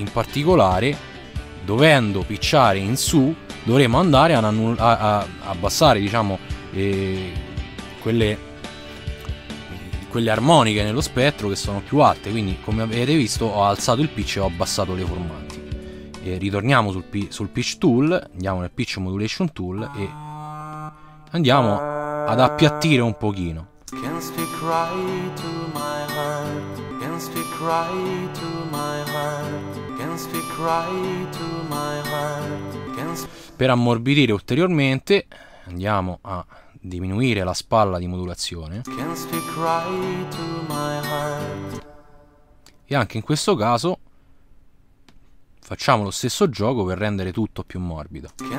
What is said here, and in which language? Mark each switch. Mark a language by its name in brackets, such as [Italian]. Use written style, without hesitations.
[Italian] In particolare, dovendo pitchare in su, dovremo andare ad abbassare diciamo quelle armoniche nello spettro che sono più alte. Quindi, come avete visto, ho alzato il pitch e ho abbassato le formanti. E ritorniamo sul pitch tool, andiamo nel pitch modulation tool e andiamo ad appiattire un pochino. [English] Can't speak right to my heart, can't speak right to my heart, can't speak right to my heart, can't... [Italian] Per ammorbidire ulteriormente andiamo a diminuire la spalla di modulazione. [English] Can't speak right to my heart. [Italian] E anche in questo caso facciamo lo stesso gioco per rendere tutto più morbido.